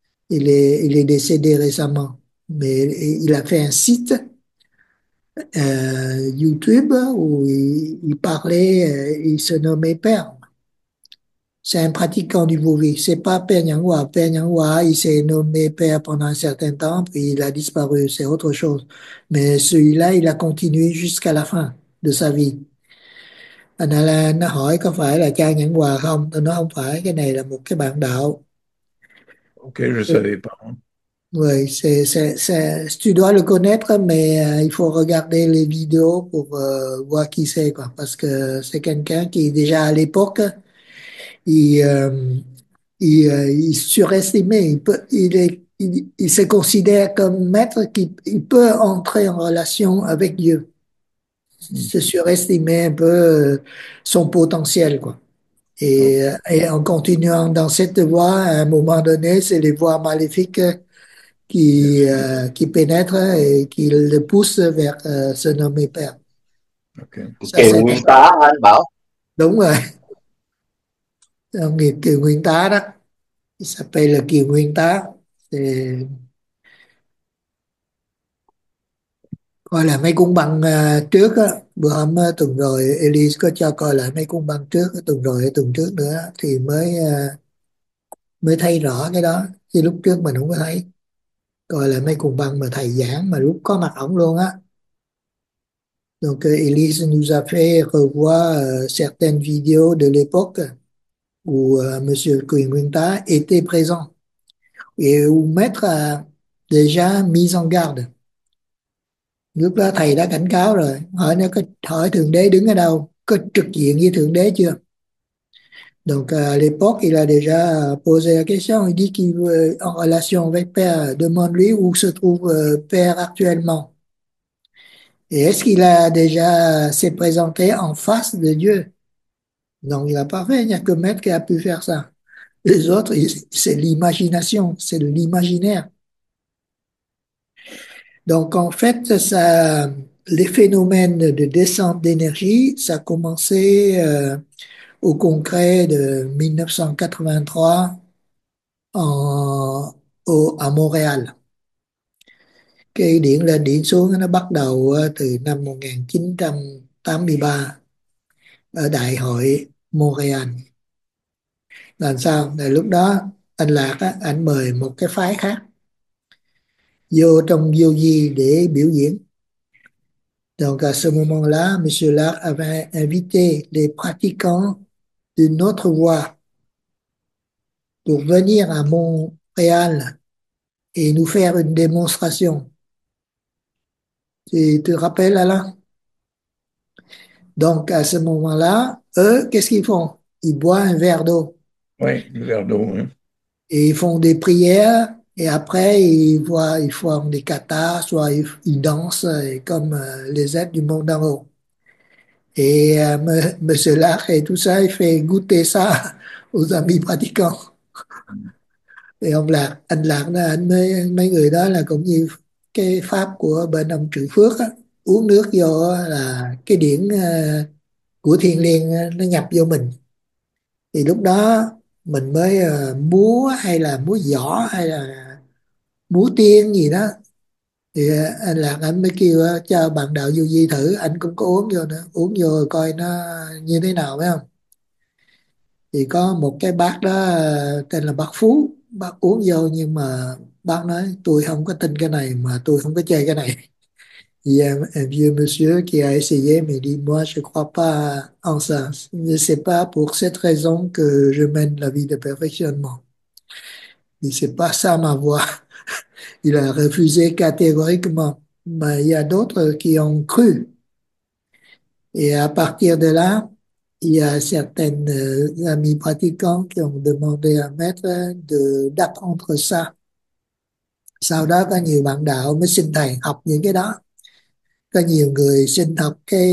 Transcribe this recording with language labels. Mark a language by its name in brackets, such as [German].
[French] Il est décédé récemment. Mais il a fait un site YouTube où il parlait, il se nommait père. C'est un pratiquant du bouddhisme. C'est pas Pernyanghwa. Pernyanghwa, il s'est nommé père pendant un certain temps, puis il a disparu. C'est autre chose. Mais celui-là, il a continué jusqu'à la fin de sa vie. [Vietnamese] Anh là, nó hỏi có phải là cha Nhẫn Hòa không? Tôi nói không phải, cái này là một cái bạn đạo. [French] Ok, je savais pas. Oui, c'est, tu dois le connaître, mais il faut regarder les vidéos pour voir qui c'est, quoi. Parce que c'est quelqu'un qui, déjà à l'époque, il surestimait. Il se considère comme maître qui peut entrer en relation avec Dieu. Se surestimait un peu son potentiel, quoi. Et en continuant dans cette voie, à un moment donné, c'est les voies maléfiques qui pénètrent et qui le poussent vers se nommer père. Ça, c'est Ok, un... [Vietnamese] ta anh bảo. Đúng rồi. Ông Kiều Nguyên Tá đó. [French] Il s'appelle là Kiều Nguyên Tá. C'est... [Vietnamese] Coi lại mấy cung bằng trước á, bữa hôm tuần rồi Elise có cho coi lại mấy cung bằng trước tuần rồi tuần trước nữa thì mới mới thấy rõ cái đó, chứ lúc trước mình không có thấy. Coi lại mấy cung bằng mà thầy giảng mà lúc có mặt ổng luôn á. [French] Donc Elise nous a fait revoir certaines vidéos de l'époque où Monsieur Kiều Nguyên Tá était présent et où maître a déjà mis en garde. [Vietnamese] Lúc đó thầy đã cảnh cáo rồi, hỏi nó có hỏi Thượng Đế đứng ở đâu, có trực diện với Thượng Đế chưa. [French] Donc à l'époque il a déjà posé la question, il dit qu'il veut en relation avec Père, demande-lui où se trouve Père actuellement. Et est-ce qu'il a déjà s'est présenté en face de Dieu? Donc il a pas fait, il n'y a que Maître qui a pu faire ça. Les autres, c'est l'imagination, c'est l'imaginaire. Donc en fait, ça, les phénomènes de descente d'énergie, ça a commencé au congrès de 1983 à Montréal. [Vietnamese] Cái điện lên điện xuống nó bắt đầu từ năm 1983 ở Đại hội Montréal. Làm sao? Là lúc đó anh Lạc á, anh mời một cái phái khác vô trong vô gì để biểu diễn. [French] Donc à ce moment-là, Monsieur Lạc avait invité les pratiquants d'une autre voie pour venir à Montréal et nous faire une démonstration. Tu te rappelles, Alain? Donc à ce moment-là, eux, qu'est-ce qu'ils font? Ils boivent un verre d'eau Oui, le verre d'eau, hein. et ils font des prières. Et après, ils font des katas, soit ils dansent comme les êtres du monde d'en haut. Et Monsieur Lach et tout ça, il fait goûter ça aux amis pratiquants. [Vietnamese] Et ông Lach, anh Lach, là, anh mấy, mấy người đó là cũng như cái pháp của bên ông Trự Phước á, uống nước vô là cái điển của Thiền Liên nó nhập vô mình. Thì lúc đó mình mới múa hay là múa giỏ hay là múa tiên gì đó thì anh Lạc anh mới kêu cho bạn đạo vô di thử, anh cũng có uống vô nữa, uống vô coi nó như thế nào phải không. Thì có một cái bác đó tên là bác Phú, bác uống vô nhưng mà bác nói tôi không có tin cái này mà tôi không có chơi cái này. [French] Yeah, un vieux monsieur qui a essayé m'a dit, moi, je crois pas en ça. C'est pas pour cette raison que je mène la vie de perfectionnement. C'est pas ça ma voie. Il a refusé catégoriquement. Mais il y a d'autres qui ont cru. Et à partir de là, il y a certaines amis pratiquants qui ont demandé à maître d'apprendre ça. [Vietnamese] Sau đó, có nhiều bạn đạo mới xin thầy học những cái đó. Có nhiều người xin học